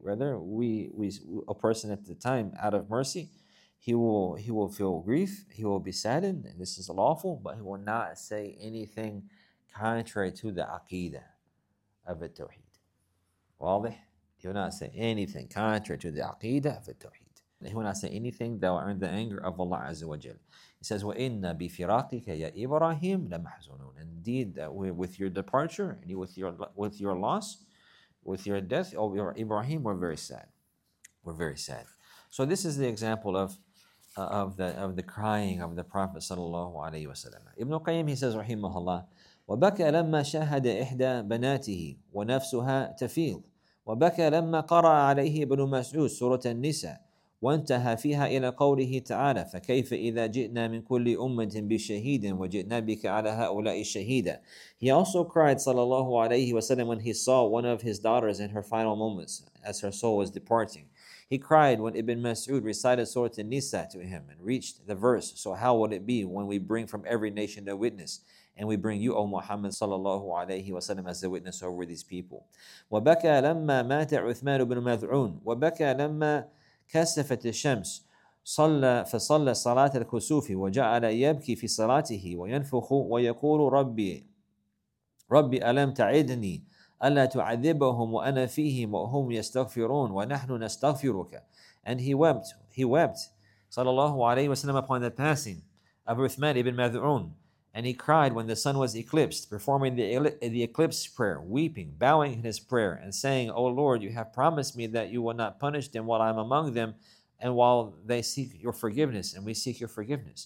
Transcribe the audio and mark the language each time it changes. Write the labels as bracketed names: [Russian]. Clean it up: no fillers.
[English] Rather, we a person at the time, out of mercy, he will feel grief, he will be saddened, and this is lawful, but he will not say anything contrary to the aqeedah of the tawheed. Waadih? He will not say anything contrary to the aqeedah of the tawheed. He will not say anything that will earn the anger of Allah Azza wa Jal. He says, [Arabic] وَإِنَّ بِفِرَاقِكَ يَا إِبْرَاهِيمُ لَمَحْزُنُونَ. [English] Indeed, with your departure, and with your loss, with your death, O Ibrahim, we're very sad. We're very sad. So this is the example of the crying of the Prophet sallallahu alayhi wa sallam. [Arabic] Ibn Qayyim, [English] he says, [Arabic] رحمه وَبَكَى لَمَّا شَهَدَ إِحْدَى بَنَاتِهِ وَنَفْسُهَا تَفِيضُ وَبَكَى لَمَّا قَرَأَ عَلَيْهِ ابن مسعود سورة النساء وانتهى فيها إلى قوله تعالى فكيف إذا جئنا من كل أمة بشهيد وجئنا بك على هؤلاء الشهيدة. [English] He also cried صلى الله عليه وسلم when he saw one of his daughters in her final moments as her soul was departing. He cried when Ibn Mas'ud recited Surah An-Nisa to him and reached the verse, so how will it be when we bring from every nation a witness, and we bring you, O Muhammad صلى الله عليه وسلم, as the witness over these people. [Arabic] وبكى لما مات عثمان بن مذعون وبكى لما كسفت الشمس صلى فصلى صلاة الكسوف وجعل يبكي في صلاته وينفخ ويقول ربي ألم تعدني ألا تعذبهم وأنا فيهم وهم يستغفرون ونحن نستغفرك. [English] And he wept صلى الله عليه وسلم upon the passing of Uthman ibn Mad'un, and he cried when the sun was eclipsed, performing the eclipse prayer, weeping, bowing in his prayer, and saying, O Lord, you have promised me that you will not punish them while I am among them, and while they seek your forgiveness, and we seek your forgiveness.